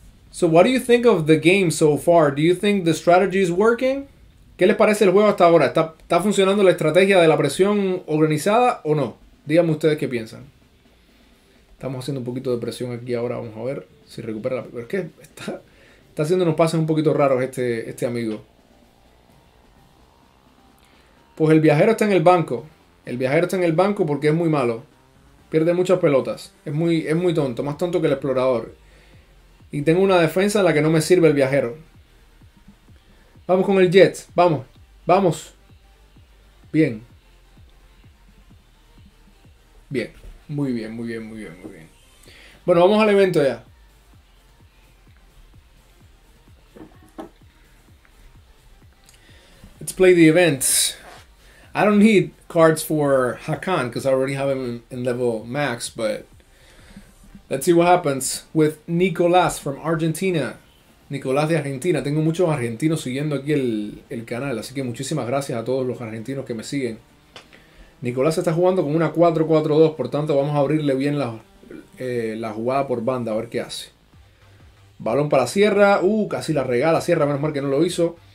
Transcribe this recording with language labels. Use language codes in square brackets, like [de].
[en] So what do you think of the game so far? Do you think the strategy is working? [es] ¿Qué les parece el juego hasta ahora? ¿Está funcionando la estrategia de la presión organizada o no? Díganme ustedes qué piensan. Estamos haciendo un poquito de presión aquí ahora. Vamos a ver si recupera la... Pero es que está haciendo unos pases un poquito raros este amigo. Pues el viajero está en el banco. El viajero está en el banco porque es muy malo. Pierde muchas pelotas. Es muy tonto. Más tonto que el explorador. Y tengo una defensa en la que no me sirve el viajero. Vamos con el Jets. Vamos. Vamos. Bien. Bien. Muy bien, muy bien, muy bien, muy bien. Bueno, vamos al evento ya. [en] Let's play the event. I don't need cards for Hakan because I already have him in level max, but let's see what happens with Nicolás from Argentina. [es] Nicolás de Argentina. Tengo muchos argentinos siguiendo aquí el canal, así que muchísimas gracias a todos los argentinos que me siguen. Nicolás está jugando con una 4-4-2, por tanto vamos a abrirle bien la jugada por banda, a ver qué hace. Balón para Sierra, casi la regala Sierra, menos mal que no lo hizo.